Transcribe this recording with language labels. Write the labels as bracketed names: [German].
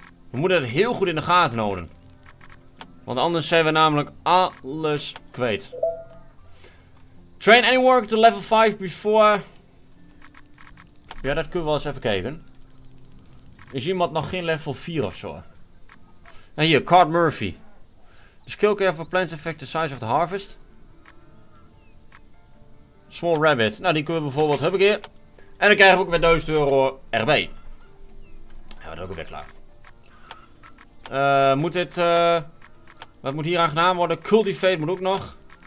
[Dutch] We moeten het heel goed in de gaten houden. Want anders zijn we namelijk alles kwijt. [English] Train any worker to level 5 before. [Dutch] Ja, dat kunnen we wel eens even kijken. Is iemand nog geen level 4 of zo? En hier, Card Murphy. [English] The skill care for plants affect the size of the harvest. Small rabbit. [Dutch] Nou, die kunnen we bijvoorbeeld, heb ik hier. En dan krijgen we ook weer 1000 euro erbij. Ja, dat is ook weer klaar. Moet dit, wat moet hier aan gedaan worden? Cultivate moet ook nog.